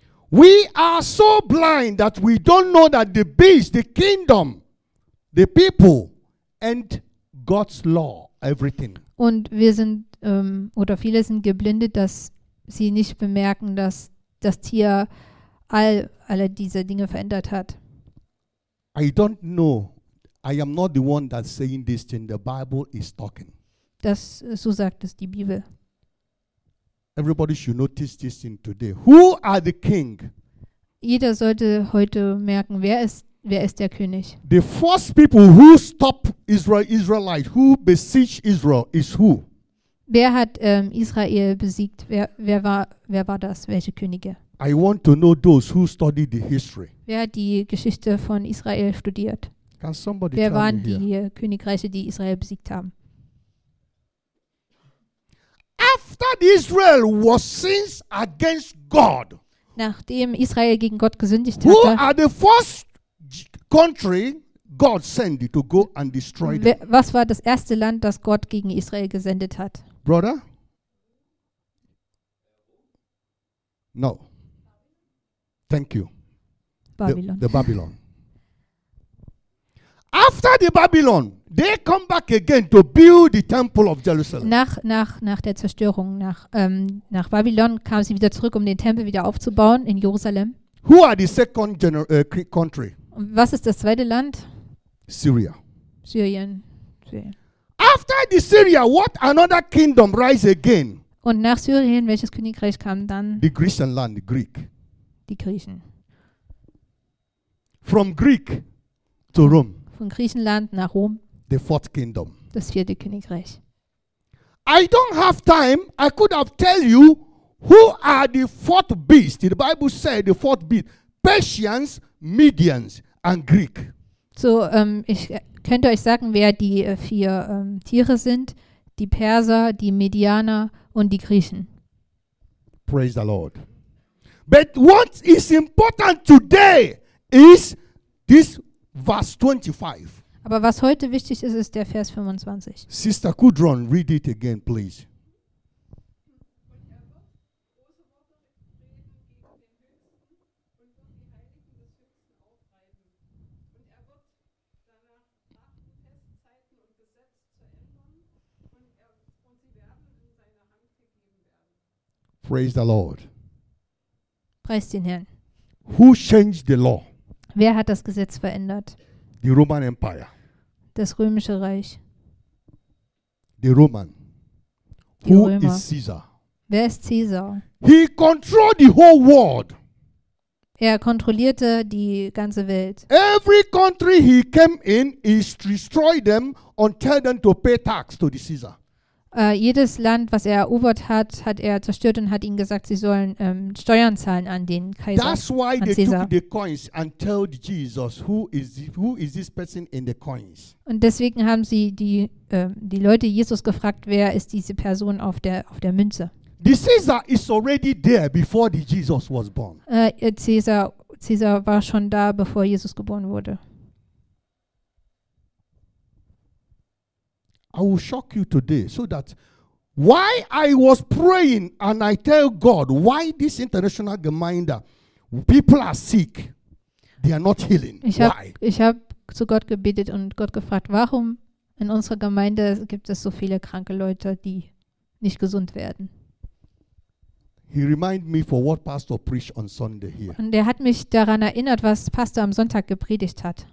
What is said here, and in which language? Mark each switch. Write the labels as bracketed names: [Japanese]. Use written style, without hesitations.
[English] We are so blind that we don't know that the beast, the kingdom, the people and God's law, everything. [German] Und wir sind oder viele sind geblindet, dass sie nicht bemerken, dass das Tier alle diese Dinge verändert hat. [English] I don't know. I am not the one that's saying this thing. The Bible is talking. [German] Das, so sagt es die Bibel. [English] Everybody should notice this thing today. Who are the king? [German] Jeder sollte heute merken, wer ist der König? [English] The first people who stop Israelite, who besieged Israel, is who? [German] Wer hat Israel besiegt? Wer war das? Welche Könige? [English] I want to know those who studied the history. [German] Wer hat die Geschichte von Israel studiert? [English] Can somebody [German] Wer [English] tell [German] waren [English] me [German] die [English] here? [German] Königreiche, die Israel besiegt haben? [English] After Israel was sins against God. [German] Nachdem Israel gegen Gott gesündigt hatte. [English] Who are the first country God sent to go and destroy them? [German] Was war das erste Land, das Gott gegen Israel gesendet hat? [English] Brother? No. Thank you. Babylon. The Babylon. After the Babylon, they come back again to build the temple of Jerusalem. [German] Nach der Zerstörung nach Babylon kamen sie wieder zurück, um den Tempel wieder aufzubauen in Jerusalem. [English] Who are the second country? [German] Was ist das zweite Land? [English] Syria. [German] Syrien. [English] After the Syria, what another kingdom rise again? [German] Und nach Syrien, welches Königreich kam dann? [English] The Grecian land, the Greek. [German] Die Griechen. [English] From Greek to Rome. [German] Von Griechenland nach Rom. [English] The fourth kingdom. [German] Das vierte Königreich. [English] I don't have time. I could have tell you who are the fourth beast. The Bible said the fourth beast. Persians, Medians and Greek. [German] So, ich könnte euch sagen, wer die vier Tiere sind. Die Perser, die Medianer und die Griechen. [English] Praise the Lord. But what is important today is this Verse 25. [German] Aber was heute wichtig ist, ist der Vers 25. [English] Sister Kudron, read it again, please. Praise the Lord. [German] Preist den Herrn. [English] Who changed the law? [German] Wer hat das Gesetz verändert? [English] The Roman Empire. [German] Das Römische Reich. [English] The Roman. [German] Die [English] Who [German] Römer. [English] Is Caesar? [German] Wer ist Caesar? [English] He controlled the whole world. [German] Er kontrollierte die ganze Welt. [English] Every country he came in, he destroyed them and tell them to pay tax to the Caesar. [German] Jedes Land, was er erobert hat, hat er zerstört und hat ihnen gesagt, sie sollen Steuern zahlen an den Kaiser. [English] That's why they Caesar. Took the coins and told Jesus, who is this person in the coins? [German] Und deswegen haben sie die Leute Jesus gefragt, wer ist diese Person auf der Münze? [English] The Caesar is already there before the Jesus was born. [German] Caesar war schon da, bevor Jesus geboren wurde. [English] I will shock you today, so that why I was praying and I tell God why this international Gemeinde, people are sick, they are not healing. [German] Ich hab zu Gott gebetet und Gott gefragt, warum in unserer Gemeinde gibt es so viele kranke Leute, die nicht gesund werden. [English] He reminded me for what Pastor preached on Sunday here. [German] Und er hat mich daran erinnert, was Pastor am Sonntag gepredigt hat.